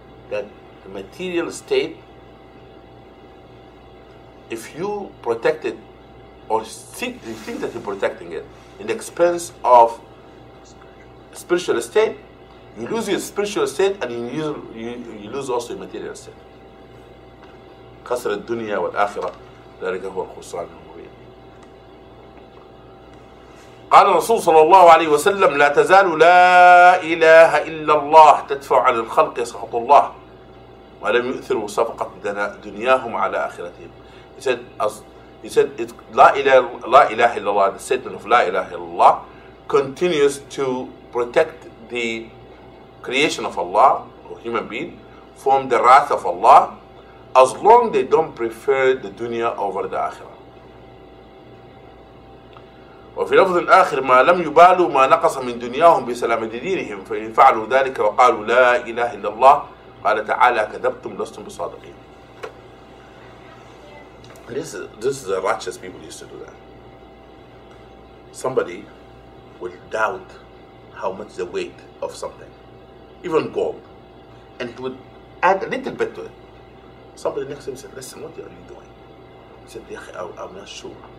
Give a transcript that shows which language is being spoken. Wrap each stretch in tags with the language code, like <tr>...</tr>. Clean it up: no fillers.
<en>That the material state, if you protect it or think that you're protecting it in the expense of spiritual state, you lose your spiritual state and you lose also your material state.</en> <ar>قصر الدنيا والآخرة ذلك هو الخسران المبين. قال الرسول صلى الله عليه وسلم لا تزال لا إله إلا الله تدفع عن الخلق سخط الله ولم يؤثروا صفقة دنياهم على آخرتهم.</ar> <en>He said</en> <ar>لا إله إلا الله,</ar> <en>the statement of لا إله إلا الله continues to protect the creation of Allah or human being from the wrath of Allah as long they don't prefer the dunya over the akhirah.</en> <ar>وفي لفظ آخر ما لم يبالوا ما نقص من دنياهم بسلام دينهم فإن فعلوا ذلك وقالوا لا إله إلا الله قال تعالى كذبتم لستم بصادقين.</ar> <en>This is the righteous people used to do that. Somebody will doubt how much the weight of something, even gold, and it would add a little bit to it. Somebody next to him said, listen, what are you doing? He said, yeah, I'm not sure.</en>